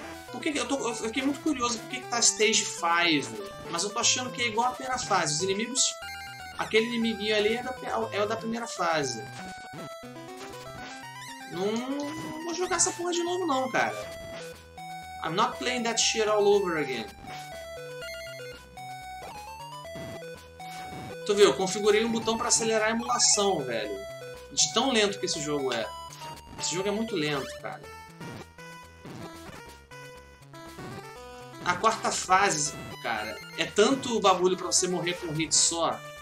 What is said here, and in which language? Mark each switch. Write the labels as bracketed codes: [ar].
[pt] Por que eu fiquei muito curioso por que tá Stage 5. Mas eu tô achando que é igual a primeira fase. Os inimigos... Aquele inimiguinho ali é o da primeira fase. Não vou jogar essa porra de novo, não, cara. [en] I'm not playing that shit all over again. [pt] Tu viu? Eu configurei um botão pra acelerar a emulação, velho. De tão lento que esse jogo é. Esse jogo é muito lento, cara. A quarta fase, cara, é tanto bagulho pra você morrer com um hit só.